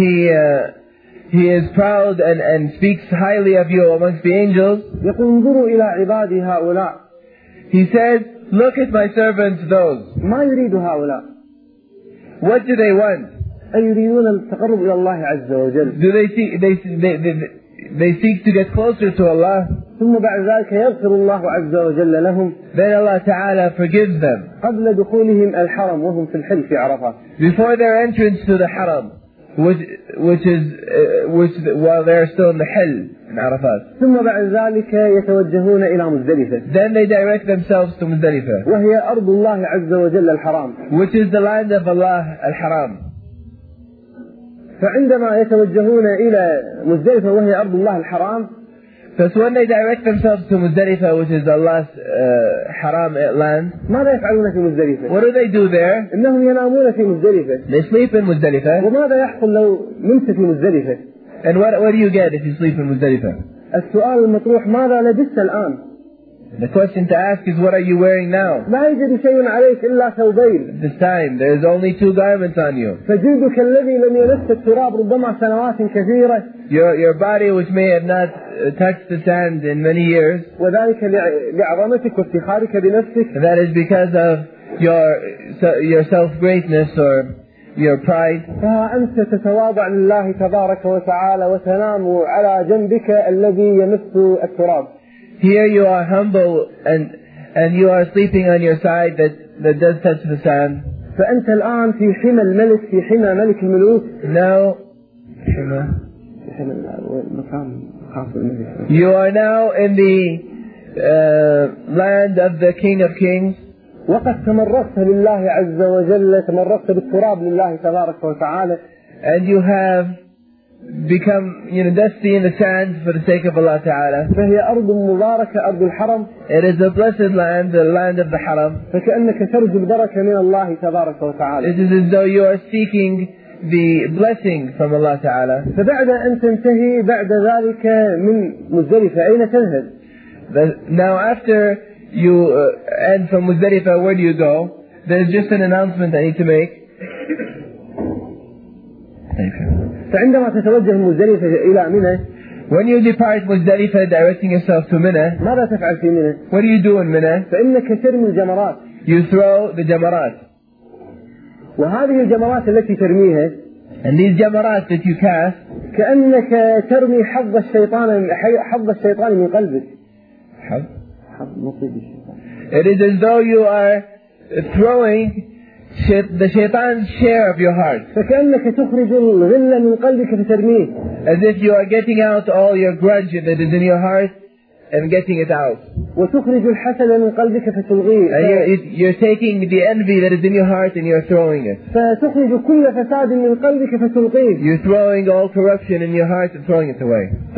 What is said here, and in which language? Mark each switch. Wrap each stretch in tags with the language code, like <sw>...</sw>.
<en>he is proud and speaks highly of you amongst the angels.</en> <ar>يقول انظروا إلى عبادي هؤلاء.</ar> <en>He says, look at my servants those.</en> <ar>ما يريد هؤلاء.</ar> <en>What do they want?</en> <ar>أيريدون التقرب إلى الله عز وجل.</ar> <en>Do they seek? They seek to get closer to Allah.</en> <ar>ثم بعد ذلك يغفر الله عز وجل لهم.</ar> <en>Then Allah Taala forgives them.</en> <ar>قبل دخولهم الحرم وهم في الحل في عرفة.</ar> <en>Before their entrance to the Haram, which while they are still in the Hill in Arafat.</en> <ar>ثم بعد ذلك يتوجهون إلى مزدلفة.</ar> <en>Then they direct themselves to مزدلفة.</en> <ar>وهي أرض الله عز وجل الحرام.</ar> <en>Which is the land of Allah al-Haram.</en> <ar>فعندما يتوجهون إلى مزدلفة وهي أرض الله الحرام.</ar> <en>So when they direct themselves to Muzdalifah, which is Allah's haram land,</en> <ar>ماذا يفعلون في مزدلفة؟</ar> <en>What do they do there?</en> <ar>إنهم ينامون في مزدلفة.</ar> <en>They sleep in مزدلفة.</en> <ar>وماذا يحصل لو نمت في مزدلفة؟</ar> <en>And what do you get if you sleep in مزدلفة؟</en> <ar>السؤال المطروح ماذا لبست الآن؟</ar> <en>The question to ask is, what are you wearing now?</en> <ar>لا يوجد شيء عليك إلا ثوبين.</ar> <en>At this time, there is only two garments on you.</en> <ar>فجلدك الذي لم يلس التراب ربما سنوات كثيرة.</ar> <en>Your body, which may have not touched the sand in many years.</en> <ar>وذلك لعظمتك وافتخارك بنفسك.</ar> <en>That is because of your self greatness or your pride.</en> <ar>فها أنت تتواضع لله تبارك وتعالى وتنام على جنبك الذي يمس التراب.</ar> <en>Here you are humble and you are sleeping on your side that does touch the sand.</en> <ar>فأنت الآن في حمى الملك في حمى ملك الملوك.</ar> <en>Now you are now in the land of the King of Kings.</en> <ar>وقد تمرست لله عز وجل تمرست بالتراب لله تبارك وتعالى.</ar> <en>And you have become, you know, dusty in the sand for the sake of Allah Ta'ala.</en> <ar>فهي أرض مباركة أرض الحرم.</ar> <en>It is a blessed land, the land of the Haram.</en> <ar>فكأنك ترجو البركة من الله تبارك وتعالى.</ar> <en>It is as though you are seeking the blessing from Allah Ta'ala.</en> <ar>فبعد أن تنتهي بعد ذلك من مزدلفة أين تذهب؟</ar> <en>Now after you end from مزدلفة, where do you go? There's just an announcement I need to make. Thank you.</en> <ar>فعندما تتوجه مزدلفة إلى منى.</ar> <en>When you depart مزدلفة directing yourself to منى.</en> <ar>ماذا تفعل في منى؟</ar> <en>What do you do in منى؟</en> <ar>فإنك ترمي الجمرات.</ar> <en>You throw the جمرات.</en> <ar>وهذه الجمرات التي ترميها.</ar> <en>And these جمرات that you cast.</en> <ar>كأنك ترمي حظ الشيطان من قلبك. حظ؟ حظ مصيبة الشيطان.</ar> <en>It is as though you are throwing the shaitan's share of your heart.</en> <ar>فكأنك تخرج الغل من قلبك فترميه.</ar> <en>As if you are getting out all your grudge that is in your heart and getting it out.</en> <ar>وتخرج الحسد من قلبك فتلغيه.</ar> <en>And you're taking the envy that is in your heart and you're throwing it.</en> <ar>فتخرج كل فساد من قلبك فتلغيه.</ar> <en>You're throwing all corruption in your heart and throwing it away.</en>